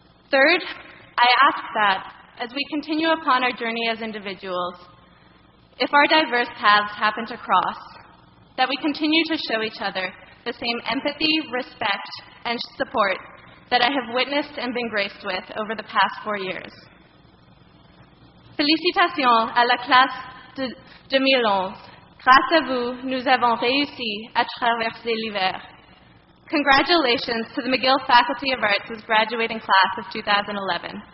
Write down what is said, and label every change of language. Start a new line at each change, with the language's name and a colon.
English: Third, I ask that, as we continue upon our journey as individuals, if our diverse paths happen to cross, that we continue to show each other the same empathy, respect, and support that I have witnessed and been graced with over the past 4 years.
French: Félicitations à la classe de 2011. Grâce à vous, nous avons réussi à traverser l'hiver.
English: Congratulations to the McGill Faculty of Arts' graduating class of 2011.